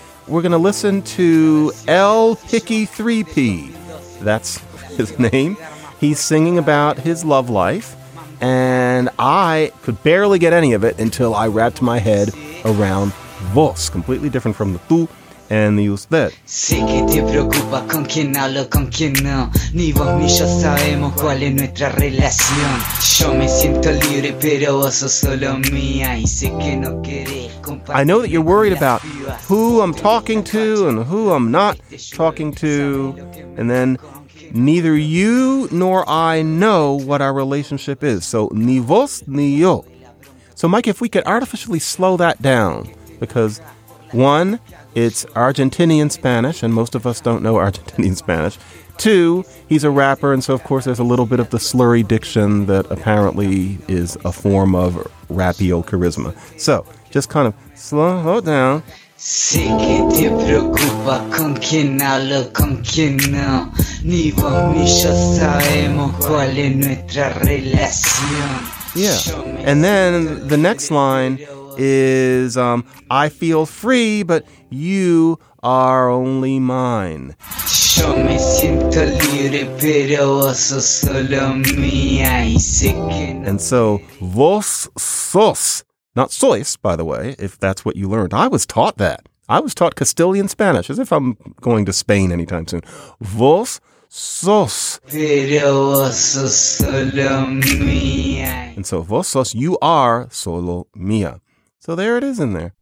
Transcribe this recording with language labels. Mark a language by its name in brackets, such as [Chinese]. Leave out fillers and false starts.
[English] We're going to listen to El Picky 3P. That's his name. He's singing about his love life. And I could barely get any of it until I wrapped my head around vos, completely different from the tú and the usted. [Spanish] Sé que te preocupa con quien hablo, con quien no. Ni vos ni yo sabemos cuál es nuestra relación. Yo me siento libre, pero vos sos solo mía. Y sé que no querés compartir. [English] I know that you're worried about who I'm talking to and who I'm not talking to. And then neither you nor I know what our relationship is. So [Spanish] ni vos ni yo. [English] So Mike, if we could artificially slow that down. Because, one, it's Argentinian Spanish, and most of us don't know Argentinian Spanish. Two, he's a rapper, and so of course there's a little bit of the slurry diction that apparently is a form of rapio charisma. So, just kind of slow it down. [Spanish] Sé que te preocupa con quien hablo, con quien no. Ni vos ni yo sabemos cuál es nuestra relación. [English] Yeah, and then the next line is, I feel free, but you are only mine. [Spanish] Yo me siento libre, pero vos sos solo mía, y sé que no. [English] And so, [Spanish] vos sos. [English] Not sois, by the way, if that's what you learned. I was taught that. I was taught Castilian Spanish, as if I'm going to Spain anytime soon. [Spanish] Vos sos. Pero vos sos solo mía. [English] And so [Spanish] vos sos, [English] you are [Spanish] solo mía. [English] So there it is in there.